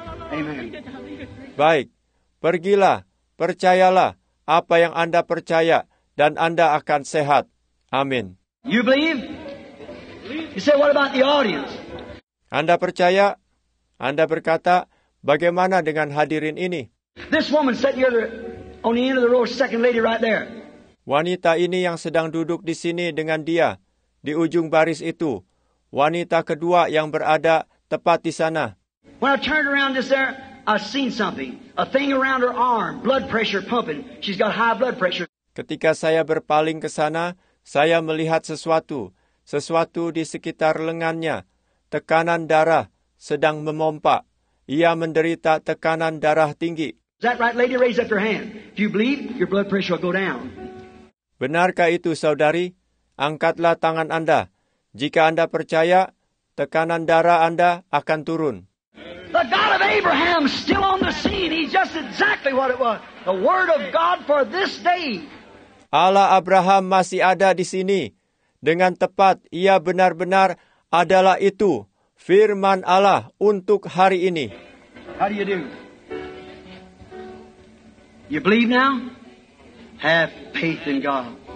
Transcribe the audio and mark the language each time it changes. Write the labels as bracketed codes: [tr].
[en] Amen. [id] Baik, pergilah, percayalah apa yang Anda percaya dan Anda akan sehat. Amin. [en] You believe? You say, what about the audience? [id] Anda percaya? Anda berkata, bagaimana dengan hadirin ini? [en] This woman said the other, on the end of the row, second lady right there. [id] Wanita ini yang sedang duduk di sini dengan dia, di ujung baris itu. Wanita kedua yang berada tepat di sana. [en] When I turned around this there, I seen something. A thing around her arm, blood pressure pumping. She's got high blood pressure. [id] Ketika saya berpaling ke sana, saya melihat sesuatu. Sesuatu di sekitar lengannya. Tekanan darah sedang memompa. Ia menderita tekanan darah tinggi. [en] Is that right, lady? Raise up your hand. If you bleed, your blood pressure will go down. [id] Benarkah itu, saudari? Angkatlah tangan Anda. Jika Anda percaya, tekanan darah Anda akan turun. [en] The God of Abraham still on the scene. He's just exactly what it was. The word of God for this day. [id] Allah Abraham masih ada di sini. Dengan tepat, ia benar-benar adalah itu. Firman Allah untuk hari ini. [en] How do you do? You believe now? Have faith in God.